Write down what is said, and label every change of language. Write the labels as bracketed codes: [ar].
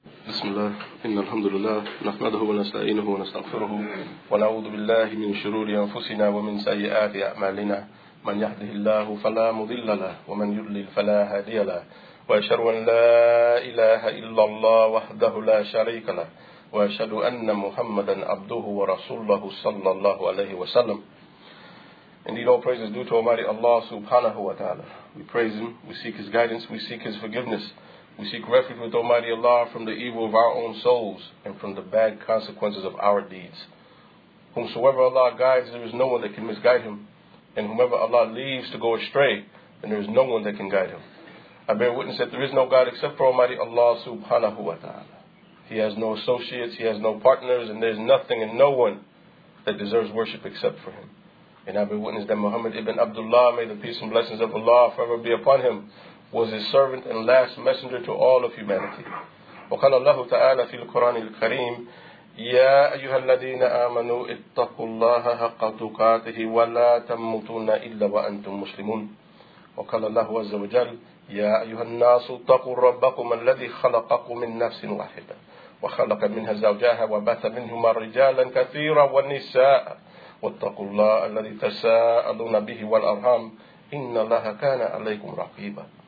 [ar] بسم الله إن الحمد لله نحمده ونستعينه ونستغفره ونعوذ بالله من شرور أنفسنا ومن سيئات أعمالنا من يهده الله فلا مضل له ومن يضلل فلا هادي له وأشهد أن لا إله إلا الله وحده لا شريك له وأشهد أن محمدا عبده ورسوله صلى الله عليه وسلم. [en] Indeed, all praises due to Almighty Allah subhanahu wa ta'ala. We praise Him, we seek His guidance, we seek His forgiveness. We seek refuge with Almighty Allah from the evil of our own souls and from the bad consequences of our deeds. Whomsoever Allah guides, there is no one that can misguide him. And whomever Allah leaves to go astray, then there is no one that can guide him. I bear witness that there is no God except for Almighty Allah subhanahu wa ta'ala. He has no associates, he has no partners, and there is nothing and no one that deserves worship except for him. And I bear witness that Muhammad ibn Abdullah, may the peace and blessings of Allah forever be upon him, was his servant and last messenger to all of humanity. [ar] وقال الله تعالى في القرآن الكريم يا أيها الذين آمنوا اتقوا الله حق تقاته ولا تموتون إلا وأنتم مسلمون. وقال الله عز وجل يا أيها الناس اتقوا ربكم الذي خلقكم من نفس واحدة وخلق منها زوجها وبث منهما رجالا كثيرا والنساء واتقوا الله الذي تساءلون به والأرحام إن الله كان عليكم رقيبا.